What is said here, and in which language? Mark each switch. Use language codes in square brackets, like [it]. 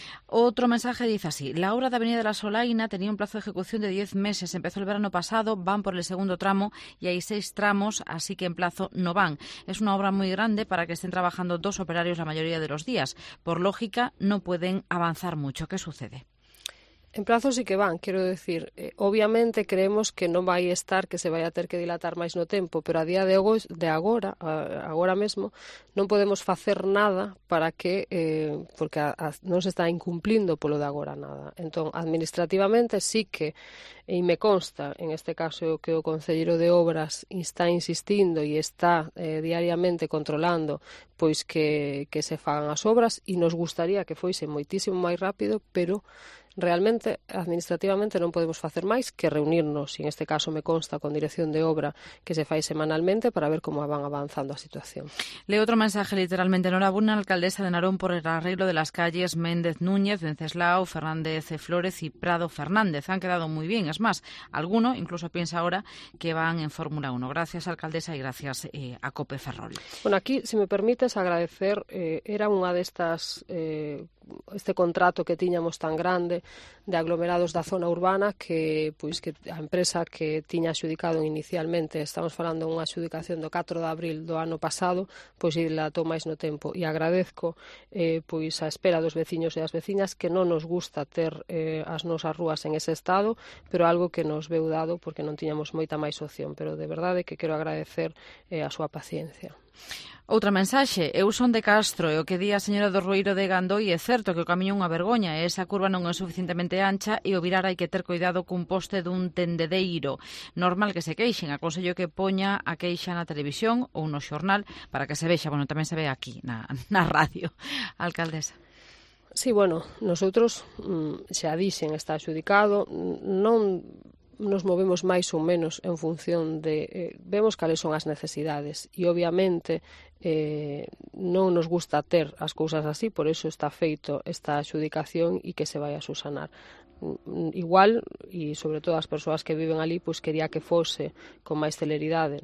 [es] Otro mensaje dice así: la obra de Avenida de la Solaina tenía un plazo de ejecución de 10 meses, empezó el verano pasado, van por el segundo tramo y hay 6 tramos, así que en plazo no van. Es una obra muy grande para que estén trabajando dos operarios la mayoría de los días. Por lógica, no pueden avanzar mucho. ¿Qué sucede? [gl] En plazo sí que van, quero decir, obviamente creemos que non vai estar, que se vai a ter que dilatar máis no tempo, pero a día de agora, agora mesmo, non podemos facer nada para que, porque non se está incumplindo polo de agora nada. Entón, administrativamente sí que, e me consta, en este caso, que o concelleiro de Obras está insistindo e está diariamente controlando pois que se fagan as obras e nos gustaría que foise moitísimo máis rápido, pero realmente, administrativamente, non podemos facer máis que reunirnos, e en este caso me consta, con dirección de obra que se fai semanalmente para ver como van avanzando a situación. Leo outro mensaje literalmente. [es] Enhorabuena, alcaldesa de Narón, por el arreglo de las calles Méndez Núñez, Venceslao, Fernández Flores y Prado Fernández. Han quedado moi bien. Es más, alguno incluso piensa ahora que van en Fórmula 1. Gracias, alcaldesa, y gracias a COPE Ferrol. [gl] Bueno, aquí, si me permites agradecer, era unha destas... este contrato que tiñamos tan grande de aglomerados da zona urbana que pois que a empresa que tiña adxudicado inicialmente, estamos falando unha adxudicación do 4 de abril do ano pasado, pois dilatou máis no tempo e agradezco pois a espera dos veciños e das veciñas, que non nos gusta ter as nosas rúas en ese estado, pero algo que nos veu dado porque non tiñamos moita máis opción, pero de verdade que quero agradecer a súa paciencia. Outra mensaxe, eu son de Castro e o que di a señora do Rueiro de Gandoy é certo que o camiño é unha vergoña e esa curva non é suficientemente ancha e o virar hai que ter cuidado cun poste dun tendedeiro. Normal que se queixen, aconsello que poña a queixa na televisión ou no xornal para que se vexa, bueno, tamén se ve aquí na radio, alcaldesa. Sí, bueno, nosotros xa dixen, está adxudicado, non... nos movemos máis ou menos en función de... vemos cales son as necesidades e, obviamente, non nos gusta ter as cousas así, por eso está feito esta adxudicación e que se vai a subsanar. Igual, e sobre todo as persoas que viven ali, pois quería que fose con máis celeridade.